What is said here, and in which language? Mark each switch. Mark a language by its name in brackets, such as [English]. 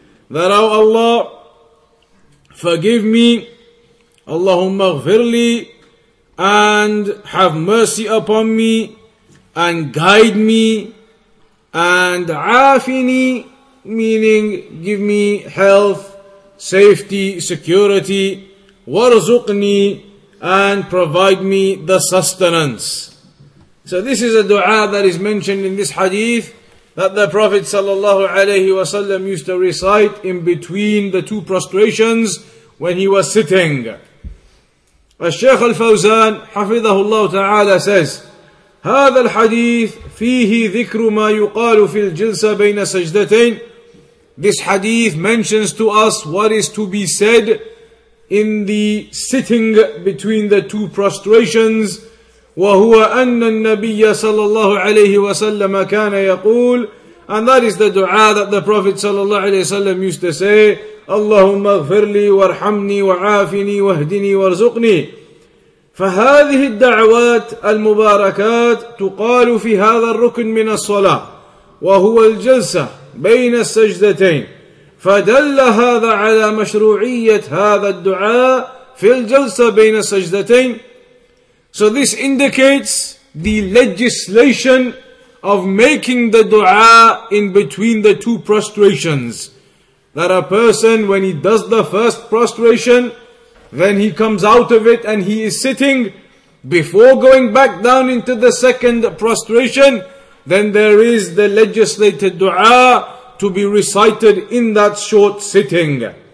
[English] That, O Allah, forgive me, [Arabic] Allahumma ghfirli, [English] and have mercy upon me, and guide me, and afini, meaning give me health, safety, security, warzuqni, and provide me the sustenance. So this is a dua that is mentioned in this hadith that the Prophet sallallahu alayhi wasallam used to recite in between the two prostrations when he was sitting. [Arabic] الشيخ الفوزان حفظه الله تعالى [English] says [Arabic] هذا الحديث فيه ذكر ما يقال في الجلسة بين سجدتين. [English] This hadith mentions to us what is to be said in the sitting between the two prostrations. [Arabic] وهو أن النبي صلى الله عليه وسلم كان يقول, [English] and that is the dua that the Prophet [Arabic] صلى الله عليه وسلم [English] used to say, [Arabic] اللهم اغفر لي وارحمني وعافني واهدني وارزقني. فهذه الدعوات المباركات تقال في هذا الركن من الصلاة وهو الجلسة بين السجدتين, فدل هذا على مشروعية هذا الدعاء في الجلسة بين السجدتين. [English] So this indicates the legislation of making the dua in between the two prostrations. That a person, when he does the first prostration, then he comes out of it and he is sitting before going back down into the second prostration, then there is the legislated dua to be recited in that short sitting.